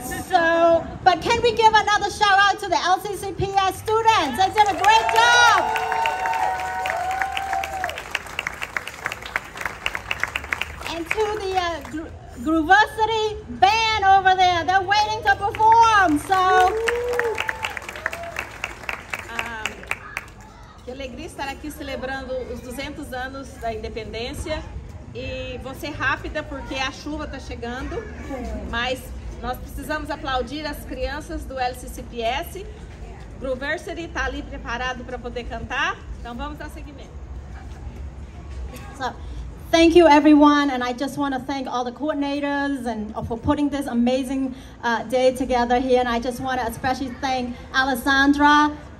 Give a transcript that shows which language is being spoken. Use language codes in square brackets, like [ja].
[en] But can we give another shout out to the LCCPS students? They did a great job. And to the Grooversity band over there, they're waiting to perform, so. [pt] Que alegria estar aqui celebrando os 200 anos da independência. E vou ser rápida porque a chuva está chegando, mas nós precisamos aplaudir as crianças do LCCPS. Grooversity está ali preparado para poder cantar, então vamos dar seguimento. [en] Thank you, everyone, and I just want to thank all the coordinators and for putting this amazing day together here. And I just want to especially thank Alessandra.